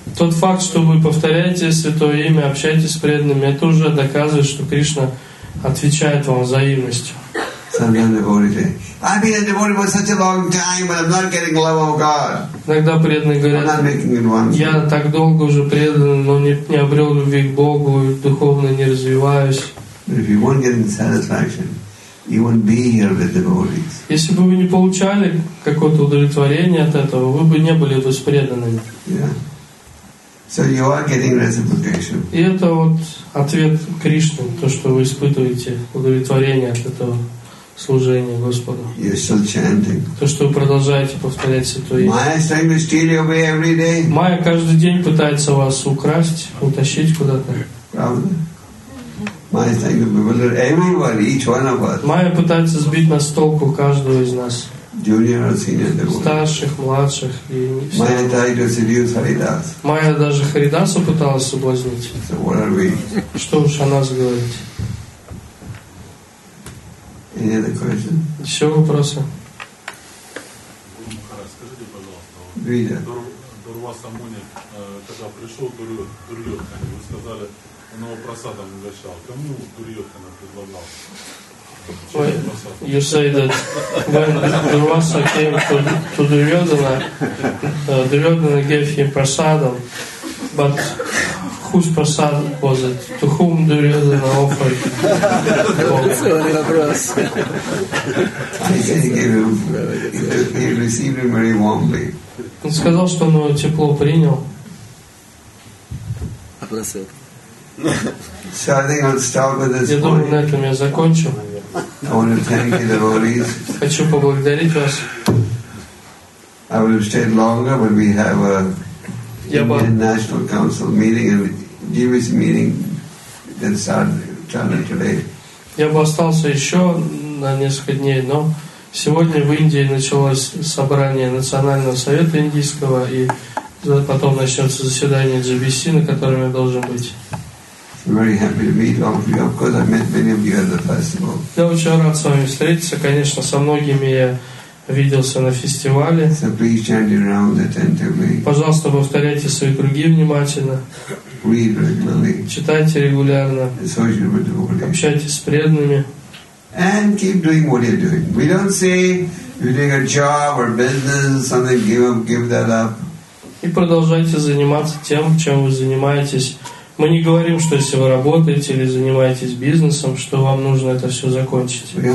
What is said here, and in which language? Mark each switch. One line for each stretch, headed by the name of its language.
Russian: Тот факт, что вы повторяете святое имя, общаетесь с преданными, это уже доказывает, что Кришна отвечает вам взаимностью.
English: Sometimes devotees say, "I've been a devotee for such a long time, but I'm not getting love of God."
Russian: Иногда преданные говорят, я так долго уже предан, но не обрел любви к Богу, духовно не развиваюсь.
English: If you won't get any satisfaction, you won't be here with devotees.
Russian: Если бы вы не получали какое-то удовлетворение от этого, вы бы не были бы с преданными.
English: Yeah. So you are getting reciprocation.
Russian: И это вот ответ Кришне, то, что вы испытываете удовлетворение от этого служения Господу.
English: You're still chanting.
Russian: То, что вы продолжаете повторять святое имя.
English: Maya is trying to steal you away every day.
Russian: Майя каждый день пытается вас украсть, утащить куда-то. Правда?
English: Майя is trying to bewilder everybody, each one of us.
Russian: Майя пытается сбить нас с толку, каждого из нас.
English: Junior or senior devotees.
Russian: Старших, младших.
English: Майя tried to seduce Харидас.
Russian: Майя даже Харидасу пыталась соблазнить.
English: So what are we?
Russian: Что уж о нас говорить?
English: Any other questions?
Russian: Еще вопросы? Расскажите, пожалуйста, Дурвас Амуни, когда пришел Дурьотхани, вы сказали, Новопрасадом угощал. Кому Дурьотхана предлагал?
English: Well, you say that when Durvasa came to Duryodhana, Duryodhana gave him prasadam, but whose prasad was it? To whom Duryodhana offered? That's a good question. He received him very warmly.
Russian: Он сказал, что он его тепло принял.
English: So I think I'll start with this.
Russian: Я думаю, на этом я закончу.
English: I want to thank you, devotees.
Russian: Хочу поблагодарить вас.
English: I would have stayed longer, but we have Indian National Council meeting and GVC meeting that started today.
Russian: Я бы остался еще на несколько дней, но сегодня в Индии началось собрание Национального совета индийского, и потом начнется заседание GVC, на котором я должен быть.
English: I'm very happy to meet all of you. Of course, I met many of you at the festival.
Russian: Я очень рад с вами встретиться. Конечно, со многими я виделся на фестивале.
English: So please chant around attentively.
Russian: Пожалуйста, повторяйте свои круги внимательно.
English: Read regularly.
Russian: Читайте регулярно.
English: Associate with devotees.
Russian: Общайтесь с преданными.
English: And keep doing what you're doing. We don't say you take a job or business, something, give that up.
Russian: И продолжайте заниматься тем, чем вы занимаетесь. Мы не говорим, что если вы работаете или занимаетесь бизнесом, что вам нужно это все закончить.